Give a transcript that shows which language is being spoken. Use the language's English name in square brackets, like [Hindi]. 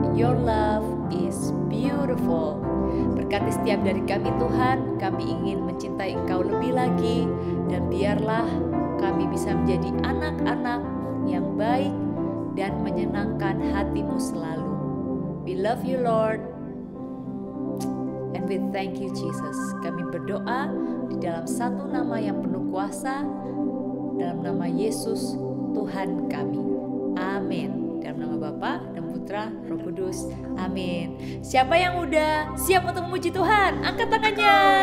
[English] Your love is beautiful. [Indonesian] Berkati setiap dari kami Tuhan, kami ingin mencintai Engkau lebih lagi dan biarlah kami bisa menjadi anak-anak yang baik dan menyenangkan hatimu selalu. [English] We love you Lord and we thank you Jesus. [Indonesian] Kami berdoa di dalam satu nama yang penuh kuasa, dalam nama Yesus Tuhan kami. Amin. Dalam nama Bapa dan Putra Roh Kudus. Amin. Siapa yang udah siap untuk memuji Tuhan? Angkat tangannya.